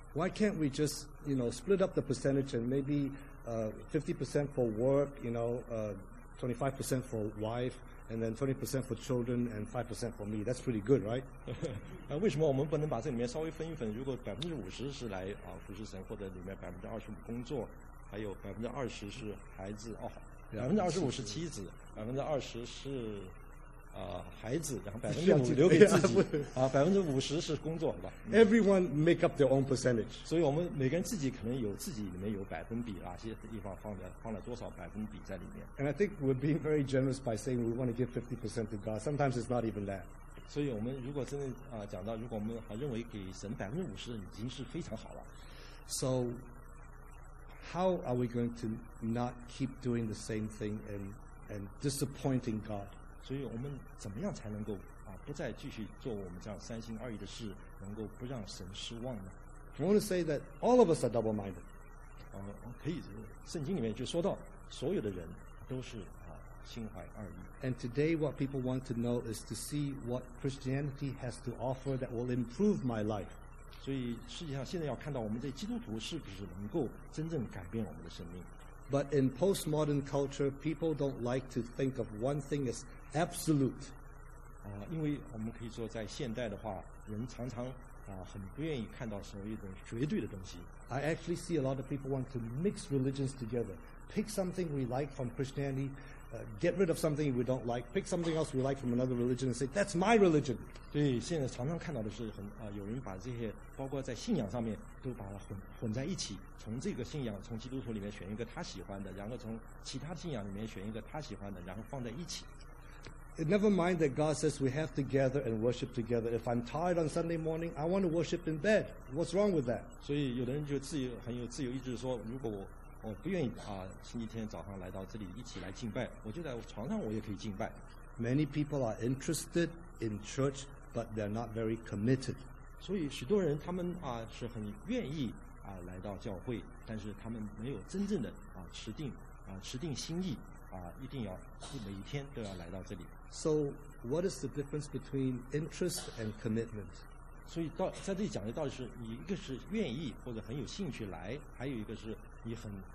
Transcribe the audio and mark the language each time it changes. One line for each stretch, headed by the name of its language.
English: Why can't we just, you know, split up the percentage and maybe 50% for work, you know, 25% for wife, and then 20% for children, and 5% for me. That's pretty good, right?
Chinese: 为什么我们不能把这里面稍微分一分？如果50%是来啊服侍神，或者里面25%工作，还有20%是孩子哦，25%是妻子，20%是啊、孩子，然后5%留给自己啊，50%是工作，好吧、
English: Everyone make up their own percentage.
Chinese: 所以我们每个人自己可能有自己里面有百分比，哪些地方放了多少百分比在里面。
English: And I think we're being very generous by saying we want to give 50% to God. Sometimes it's not even that.
Chinese: 所以我们如果真的啊、讲到，如果我们还认为给神50%已经是非常好了。
English: So how are we going to not keep doing the same thing and disappointing God?
Chinese: 所以我们怎么样才能够啊不再继续做我们这样三心二意的事，能够不让神失望呢
English: ？I want to say that all of us are double-minded.
Chinese: 可以，圣经里面就说到，所有的人都是啊心怀二意。
English: And today, what people want to know is to see what Christianity has to offer that will improve my life.
Chinese: 所以实际上，现在要看到我们这基督徒是不是能够真正改变我们的生命。
English: But in postmodern culture, people don't like to think of one thing as absolute.
Chinese: 因为我们可以说在现代的话，人常常很不愿意看到所谓的绝对的东西。
English: I actually see a lot of people want to mix religions together. Pick something we like from Christianity, get rid of something we don't like. Pick something else we like from another religion and say that's my religion.
Chinese: 对，现在常常看到的是很有人把这些包括在信仰上面都把它混在一起，从这个信仰从基督徒里面选一个他喜欢的，然后从其他信仰里面选一个他喜欢的，然后放在一起。
English: Never mind that God says we have to gather and worship together. If I'm tired on Sunday morning, I want to worship in bed. What's wrong with that?
Chinese: 所以有的人就自由，很有自由意志说，如果我不愿意星期天早上来到这里一起来敬拜，我就在床上我也可以敬拜。
English: Many people are interested in church, but they're not very committed.
Chinese: 所以许多人他们是很愿意来到教会，但是他们没有真正的持定心意。一定要每一天都要来到这里。
English: So, what is the difference between interest and commitment?
Chinese: 所以在这里讲的到底是你一个是愿意或者很有兴趣来，还有一个是你很